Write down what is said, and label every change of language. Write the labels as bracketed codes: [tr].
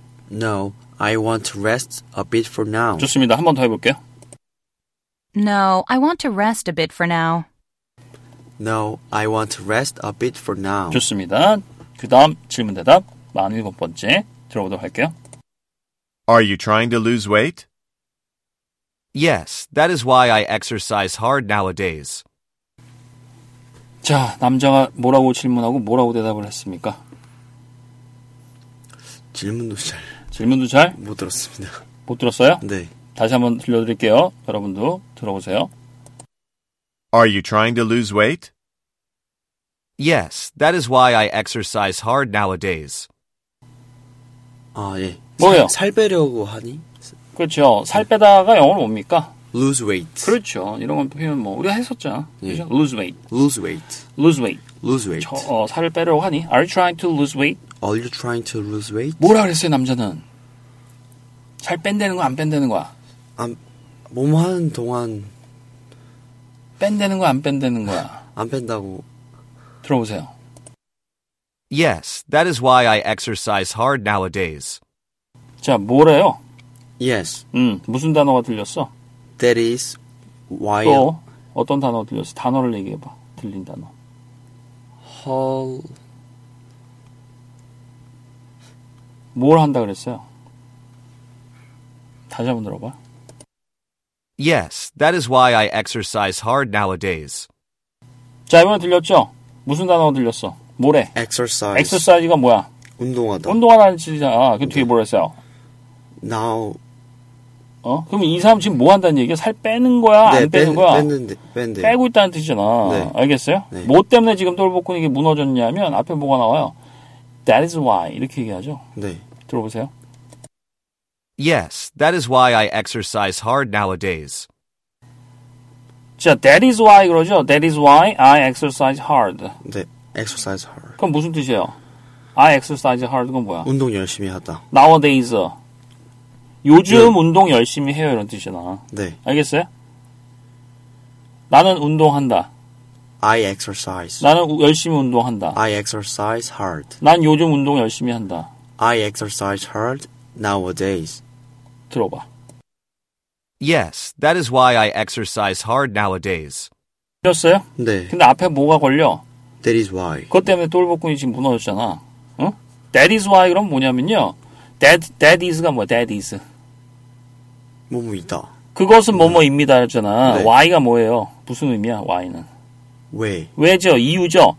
[en] No, I want to rest a bit for now. [ko] 좋습니다. 한 번 더 해볼게요. [en] No, I want to rest a bit for now. No, I want to rest a bit for now. [ko] 좋습니다. 그 다음 질문 대답 47번째 들어보도록 할게요. [en] Are you trying to lose weight? Yes, that is why I exercise hard nowadays. [ko] 자, 남자가 뭐라고 질문하고 뭐라고 대답을 했습니까? 질문도 잘 못 들었습니다. 못 들었어요? 네. 다시 한번 들려드릴게요. 여러분도 들어보세요. [en] Are you trying to lose weight? Yes, that is why I exercise hard nowadays. [ko] 아, 예. 뭐예요? 살 빼려고 하니? 그렇죠. 살 빼다가 영어로 뭡니까? [en] Lose weight. [ko] 그렇죠. 이런 건 표현 뭐 우리가 했었잖아. 그렇죠? 예. [en] Lose weight. Lose weight. Lose weight. Lose weight. [ko] 저, 어, 살을 빼려고 하니? [en] Are you trying to lose weight? Are you trying to lose weight? [ko] 뭐라 그랬어요, 남자는? 살 뺀다는 거 안 뺀다는 거야? 안 몸하는 동안 뺀다는 거 안 뺀다는 거야? 안 뺀다고 들어보세요. [en] Yes, that is why I exercise hard nowadays. [ko] 자, 뭐래요? [en] Yes. [ko] 무슨 단어가 들렸어? [en] That is why. [ko] 또 어떤 단어 들렸어? 단어를 얘기해 봐. 들린 단어. [en] Hall. [ko] 뭘 한다 그랬어요? 다시 한번 들어봐. [en] Yes, that is why I exercise hard nowadays. [ko] 자, 이번에 들렸죠? 무슨 단어 들렸어? 뭐래? [en] Exercise. [ko] Exercise가 뭐야? 운동하다. 운동하다는 뜻이야. 아, 그 뒤에 뭐랬어요? [en] Now. [ko] 어? 그럼 이 사람 지금 뭐 한다는 얘기야? 살 빼는 거야? 네, 안 빼는 거야? 뺐는데. 빼고 있다는 뜻이잖아. 네. 알겠어요? 네. 뭐 때문에 지금 똘복근이 이게 무너졌냐면 앞에 뭐가 나와요? [en] That is why. [ko] 이렇게 얘기하죠? 네. 들어보세요. [en] Yes, that is why I exercise hard nowadays. 자, that is why [ko] 그러죠? [en] That is why I exercise hard. 네, exercise hard. [ko] 그럼 무슨 뜻이에요? [en] I exercise hard [ko] 가 뭐야? 운동 열심히 하다. Nowadays. 요즘 네. 운동 열심히 해요. 이런 뜻이잖아. 네. 알겠어요? 나는 운동한다. [en] I exercise. [ko] 나는 열심히 운동한다. [en] I exercise hard. [ko] 난 요즘 운동 열심히 한다. [en] I exercise hard nowadays. [ko] 들어봐. [en] Yes, that is why I exercise hard nowadays. [ko] 들었어요? 네. 근데 앞에 뭐가 걸려? [en] That is why. [ko] 그것 때문에 똘복근이 지금 무너졌잖아. 응? [en] That is why [ko] 그럼 뭐냐면요. That is가 뭐야? That is. 뭐뭐 있다. 그것은 뭐뭐입니다. 했잖아. 네. Why가 뭐예요? 무슨 의미야? Why는. 왜? 왜죠? 이유죠?